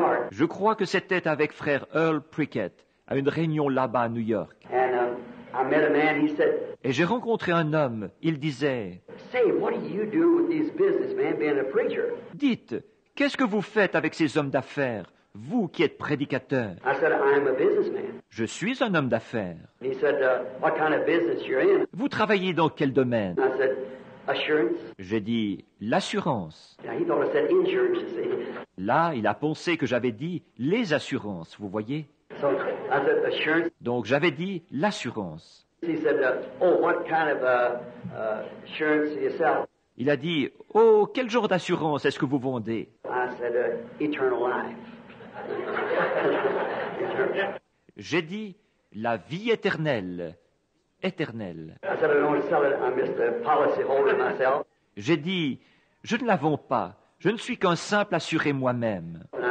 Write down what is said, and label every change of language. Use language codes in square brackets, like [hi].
[fr] Je crois que c'était avec frère Earl Prickett à une réunion là-bas à New York. [en] I met a man, he said, [fr] et j'ai rencontré un homme, il disait, [en] say, what do you do with these businessmen being a preacher? [fr] Dites, qu'est-ce que vous faites avec ces hommes d'affaires, vous qui êtes prédicateur? [en] I said, I am a businessman. [fr] Je suis un homme d'affaires. [en] He said, what kind of business you're in? [fr] Vous travaillez dans quel domaine? [en] I said, assurance. [fr] J'ai dit, l'assurance. [en] Yeah, he thought I said insurance, you see. [fr] Là, il a pensé que j'avais dit les assurances, vous voyez? [en] So, I said, assurance. [fr] Donc j'avais dit l'assurance. [en] He said, oh, what kind of assurance do you sell? [fr] Il a dit, oh, quel genre d'assurance est-ce que vous vendez? [en] I said, eternal life. [fr] J'ai dit la vie éternelle. Éternelle. [en] I said, I don't sell it. I'm just a policy holder myself. [fr] J'ai dit, je ne la vends pas. Je ne suis qu'un simple assuré moi-même.